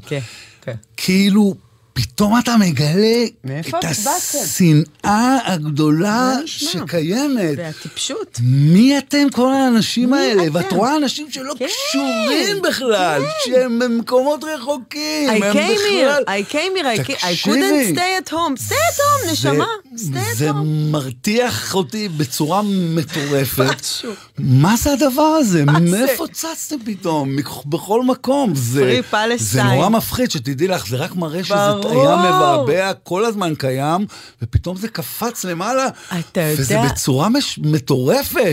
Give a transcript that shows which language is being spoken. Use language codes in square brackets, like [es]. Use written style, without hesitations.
[he] כן, כן. כאילו... פתאום אתה מגלה את השנאה הגדולה שקיימת. והטיפשות. מי אתם כל האנשים האלה? ואת רואה אנשים שלא קשורים בכלל, שהם במקומות רחוקים. [en] I came here. I couldn't stay at home. Stay at home, נשמה. [he] זה מרתיח אותי בצורה מטורפת. מה זה הדבר הזה? מאיפה צצתם פתאום? בכל מקום. זה נורא מפחיד שתדעי לך, זה רק מראה שזה היה מבעבע, כל הזמן קיים, ופתאום זה קפץ למעלה, וזה בצורה מטורפת.